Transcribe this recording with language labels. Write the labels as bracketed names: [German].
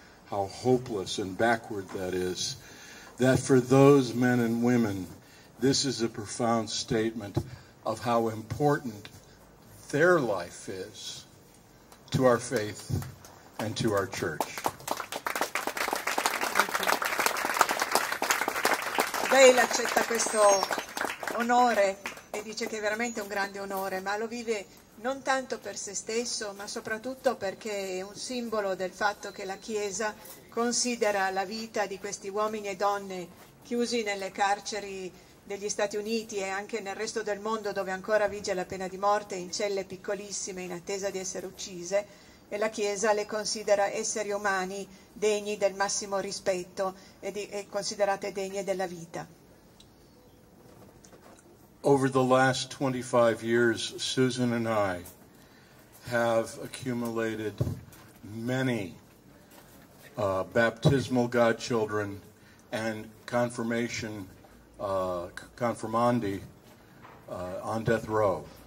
[English] how hopeless and backward that is, that for those men and women, this is a profound statement of how important their life is to our faith and to our church. [Italian] Dale accetta questo onore e dice che è veramente un grande onore, ma lo vive non tanto per se stesso, ma soprattutto perché è un simbolo del fatto che la Chiesa considera la vita di questi uomini e donne chiusi nelle carceri degli Stati Uniti e anche nel resto del mondo dove ancora vige la pena di morte, in celle piccolissime in attesa di essere uccise, e la Chiesa le considera esseri umani degni del massimo rispetto e considerate degne della vita. [English] Over the last 25 years, Susan and I have accumulated many baptismal godchildren and confirmation confirmandi on death row.